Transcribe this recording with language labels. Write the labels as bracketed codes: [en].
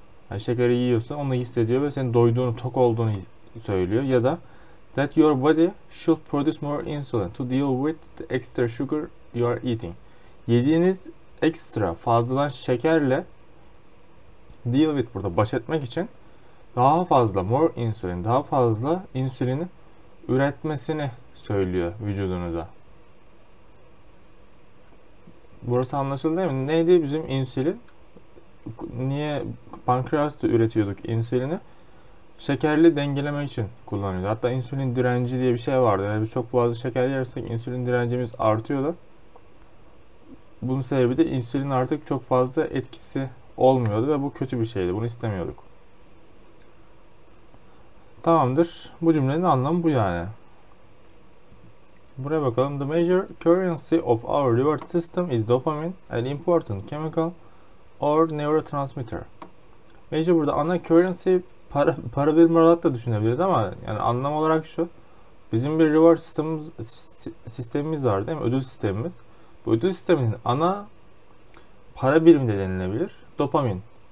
[tr] Yani şekeri yiyorsa onu hissediyor ve senin doyduğunu, tok olduğunu söylüyor. Ya da [en] that your body should produce more insulin to deal with the extra sugar you are eating. [tr] Yediğiniz ekstra fazladan şekerle [en] deal with [tr] burada baş etmek için daha fazla [en] more insulin, [tr] daha fazla insülini üretmesini söylüyor vücudunuza. Burası anlaşıldı değil mi? Neydi bizim insülin? Niye pankreasta üretiyorduk insülini? Şekerli dengelemek için kullanıyordu. Hatta insülin direnci diye bir şey vardı. Yani çok fazla şeker yersek insülin direncimiz artıyordu. Bunun sebebi de insülin artık çok fazla etkisi olmuyordu ve bu kötü bir şeydi. Bunu istemiyorduk. Tamamdır. Bu cümlenin anlamı bu yani. Buraya bakalım. [en] The major currency of our reward system is dopamine, an important chemical or neurotransmitter. [tr] Major burada ana currency para birimi olarak da düşünebiliriz ama yani anlam olarak şu. Bizim bir reward sistemimiz var değil mi? Ödül sistemimiz. Bu ödül sisteminin ana para birimi de denilebilir. Dopamin.